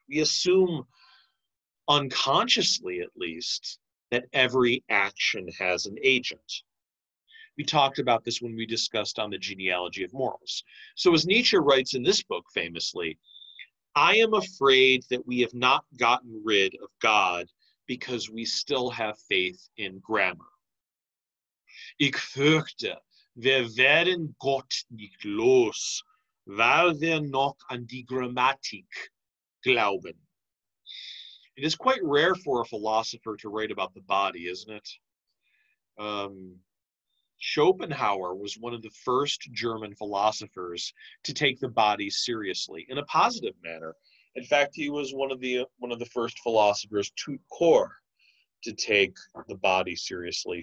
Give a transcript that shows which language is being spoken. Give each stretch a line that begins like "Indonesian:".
English: We assume, unconsciously at least, that every action has an agent. We talked about this when we discussed on the genealogy of morals. So as Nietzsche writes in this book famously, I am afraid that we have not gotten rid of God because we still have faith in grammar.
German: Ich fürchte, wir werden Gott nicht los, weil wir noch an die Grammatik glauben.
English: It is quite rare for a philosopher to write about the body, isn't it? Schopenhauer was one of the first German philosophers to take the body seriously in a positive manner. In fact, he was one of the first philosophers tout court to take the body seriously.